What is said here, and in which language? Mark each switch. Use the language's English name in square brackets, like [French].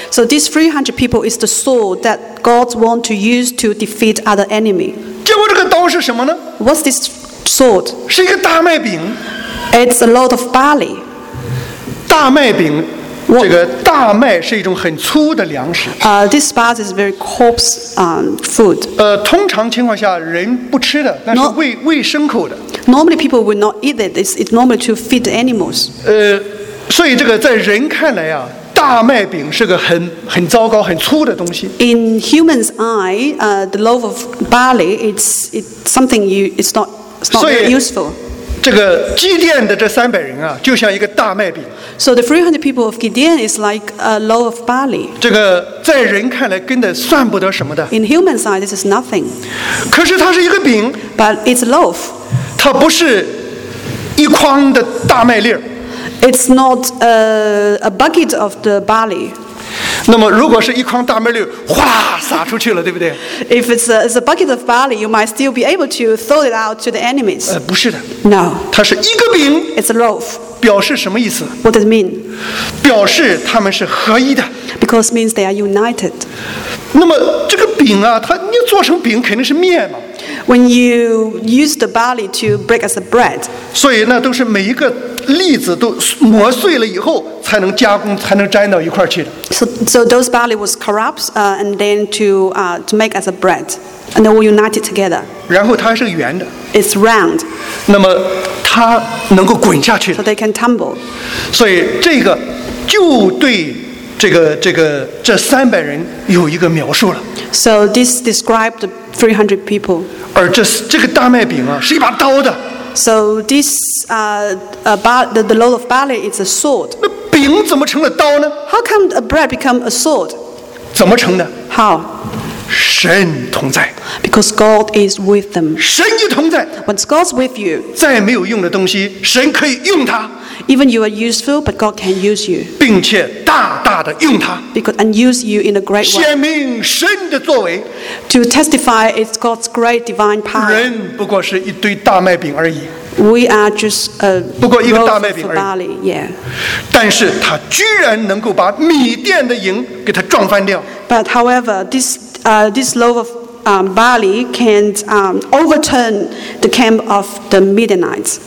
[English] So these 300 people is the sword that God wants to use to defeat other enemy. [Chinese] 结果这个刀是什么呢 [English] ？What's this sword? [Chinese] 是一个大麦饼。 [English] It's a lot of barley. [Chinese] 大麦饼。这个大麦是一种很粗的粮食。 [English] This barley is very coarse food. [Chinese] 通常情况下人不吃的，但是喂牲口的。 [English] Normally people will not eat it. It's normally to feed the animals. [Chinese] 所以这个在人看来啊，大麦饼是个很糟糕、很粗的东西。 [English] In humans' eye, the loaf of barley it's something you it's not very useful. [Chinese] 这个基甸的这三百人啊，就像一个大麦饼。 [English] So the 300 people of Gideon is like a loaf of barley. [Chinese] 这个在人看来根本算不得什么的。 [English] In human side, this is nothing. [Chinese] 可是它是一个饼。 [English] But it's a loaf. [Chinese] 它不是一筐的大麦粒。 [English] It's not a bucket of the barley. [Chinese] 那么如果是一筐大麦粒，哗撒出去了，对不对 [English] ？If it's a bucket of barley, you might still be able to throw it out to the enemies. [Chinese] 不是的。 [English] No. [Chinese] 它是一个饼。 [English] It's a loaf. [Chinese] 表示什么意思 [English] ？What does it mean？ [Chinese] 表示他们是合一的。 [English] Because means they are united。 [Chinese] 那么这个饼啊，它你做成饼肯定是面嘛。 [English] When you use the barley to break as a bread。 [Chinese] 所以那都是每一个粒子都磨碎了以后才能加工，才能粘到一块去的。 [English] So those barley was corrupt, and then to make as a bread。 and they will unite it together. [Chinese] 然后它是圆的。 [English] It's round. [Chinese] 那么它能够滚下去。 [English] So they can tumble. [Chinese] 所以这个就对这三百人有一个描述了。 [English] So this described 300 people. [Chinese] 而这个大麦饼啊，是一把刀的。 [English] So this the loaf of barley is a sword. [Chinese] 那饼怎么成了刀呢 [English] ？How come a bread become a sword？ [Chinese] 怎么成的 [English] ？How？ [Chinese] 神同在。 [English] Because God is with them. [Chinese] 神与同在。 [English] When God's with you， [Chinese] 再没有用的东西，神可以用它。 [English] Even you are useful, but God can use you. [Chinese] 并且大大的用它。 [English] Because and use you in a great way. [Chinese] 显明神的作为。 [English] To testify it's God's great divine power. [Chinese] 人不过是一堆大麦饼而已。 [English] We are just a loaf of barley, yeah. [Chinese] 但是他居然能够把米甸的营给他撞翻掉。 [English] But however, this loaf of barley can overturn the camp of the Midianites.